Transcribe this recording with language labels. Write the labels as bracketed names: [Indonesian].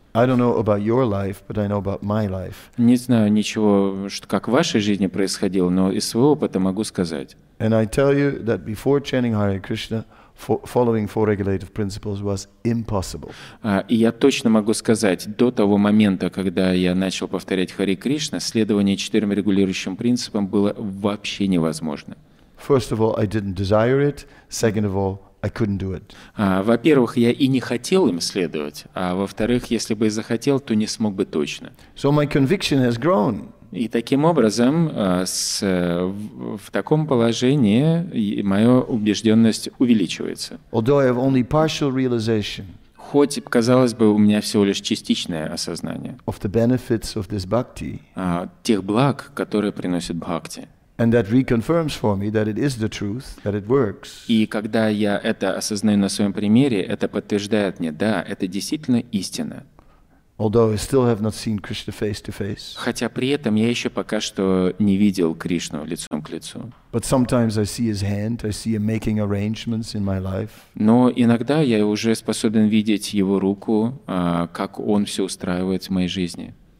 [English] I don't know about your life, but I know about my life. [Russian] Не знаю ничего, как в вашей жизни происходило, но из своего опыта могу сказать. [English] And I tell you that before chanting Hare Krishna, following four regulative principles was impossible. [Russian] И я точно могу сказать, до того момента, когда я начал повторять Харе Кришна, следование четырем регулирующим принципам было вообще невозможно. [English] First of all, I didn't desire it. Second of all, I couldn't do it. [Russian] Во-первых, я и не хотел им следовать, а во-вторых, если бы и захотел, то не смог бы точно. [English] So my conviction has grown. [Russian] И таким образом, в таком положении моя убежденность увеличивается. [English] Although I have only partial realization. [Russian] Хоть, казалось бы, у меня всего лишь частичное осознание [English] of the benefits of this bhakti, [Russian] тех благ, которые приносит бхакти. [English] And that reconfirms for me that it is the truth, that it works. [Russian] И когда я это осознаю на своем примере, это подтверждает мне, да, это действительно истина. [English] Although I still have not seen Krishna face to face. [Russian] Хотя при этом я еще пока что не видел Кришну лицом к лицу. [English] But sometimes I see his hand, I see him making arrangements in my life. [Russian] Но иногда я уже способен видеть его руку, как он все устраивает в моей жизни.